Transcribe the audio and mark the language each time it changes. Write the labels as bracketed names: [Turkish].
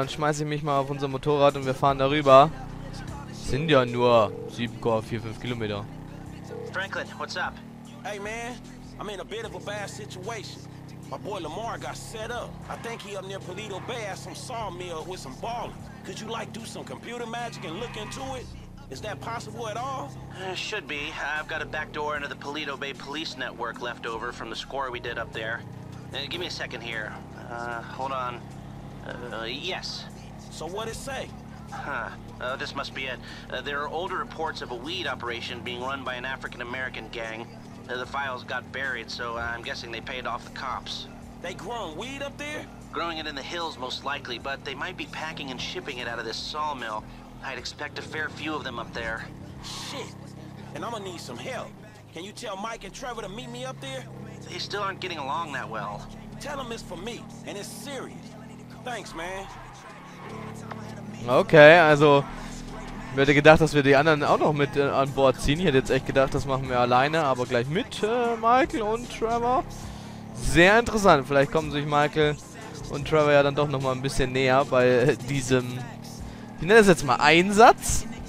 [German] Dann schmeiße ich mich mal auf unser Motorrad und wir fahren darüber. Sind ja nur 7,45 Kilometer. [English] Franklin, what's up? Hey man, I'm in a bit of a bad situation. My boy Lamar got set up. I think he up near Polito Bay at some sawmill with some ballers. Could you like do some computer magic and look into it? Is that possible at all? Should be. I've got a back door into the Polito Bay police network left over from the score we did up there. Give me a second here. Hold on. Yes. So what'd it say? Huh. This must be it. There are older reports of a weed operation being run by an African-American gang. The files got buried, so I'm guessing they paid off the cops. They growing weed up there? Growing it in the hills, most likely, but they might be packing and shipping it out of this sawmill. I'd expect a fair few of them up there. Shit. And I'm gonna need some help. Can you tell Mike and Trevor to meet me up there? They still aren't getting along that well. Tell them it's for me, and it's serious. Thanks, man. [German] Okay, also ich hätte gedacht, dass wir die anderen auch noch mit an Bord ziehen. Ich hätte jetzt echt gedacht, das machen wir alleine, aber gleich mit Michael und Trevor. Sehr interessant. Vielleicht kommen sich Michael und Trevor ja dann doch nochmal ein bisschen näher bei diesem, ich nenne das jetzt mal Einsatz.